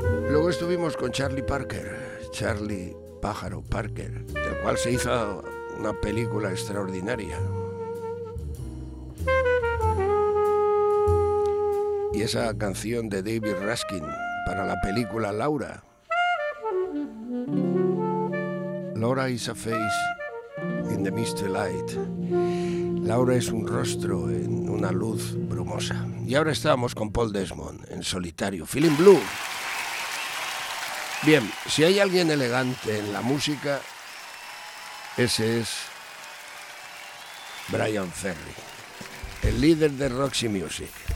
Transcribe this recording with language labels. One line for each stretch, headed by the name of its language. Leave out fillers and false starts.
Spanish: Luego estuvimos con Charlie Parker, Charlie Pájaro Parker, del cual se hizo una película extraordinaria. Y esa canción de David Raskin para la película Laura.
English: Laura is a face in the misty light.
Spanish: Laura es un rostro en una luz brumosa. Y ahora estábamos con Paul Desmond en solitario, Feeling Blue. Bien, si hay alguien elegante en la música, ese es Brian Ferry, el líder de Roxy Music.